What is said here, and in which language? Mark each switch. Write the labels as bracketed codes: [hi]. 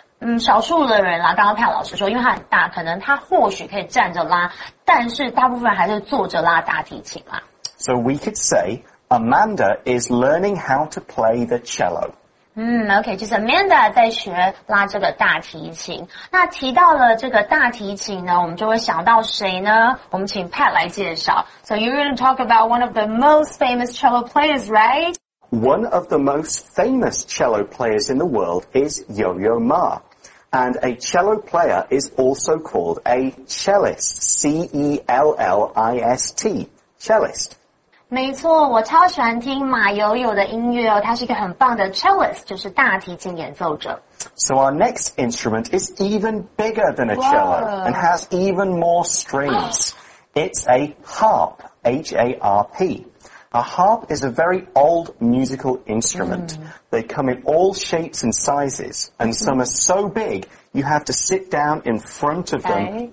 [zh] 嗯，少数的人啦，刚刚派老师说，因为他很大，可能他或许可以站着拉，但是大部分还是坐着拉大提琴啦。 [en] So we could say, Amanda is learning how to play the cello. [zh] 嗯 ,OK, 就是 Amanda 在学拉这个大提琴。那提到了这个大提琴呢，我们就会想到谁呢？我们请 Pat 来介绍。 [en] So you're going to talk about one of the most famous cello players, right? One of the most famous cello players in the world is Yo-Yo Ma. And a cello player is also called a cellist. C-E-L-L-I-S-T. Cellist. [zh] 没错，我超喜欢听马友友的音乐哦。他是一个很棒的 cellist, 就是大提琴演奏者。 [en] So our next instrument is even bigger than a cello and has even more strings. It's a harp. H-A-R-P. A harp is a very old musical instrument.、Mm. They come in all shapes and sizes, and some are so big you have to sit down in front of them、